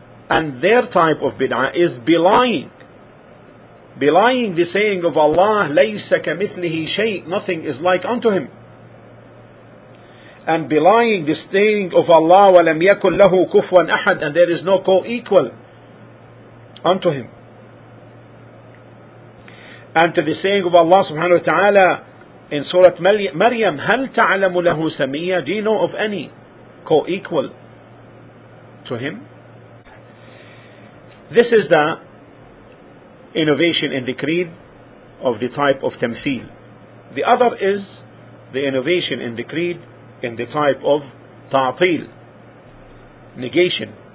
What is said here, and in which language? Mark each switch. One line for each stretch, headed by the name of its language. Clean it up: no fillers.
English: And their type of bid'ah is belying the saying of Allah,
Arabic: لَيْسَ كَمِثْلِهِ شَيْءٍ,
English: nothing is like unto Him. And belying the saying of Allah,
Arabic: وَلَمْ يَكُنْ لَهُ كُفْوًا أَحَدٍ,
English: and there is no co-equal unto Him. And to the saying of Allah subhanahu wa ta'ala, in Surah Maryam,
Arabic: هل تعلم له سمية?
English: Do you know of any co-equal to him? This is the innovation in the creed of the type of tamthil. The other is the innovation in the creed in the type of ta'til, negation.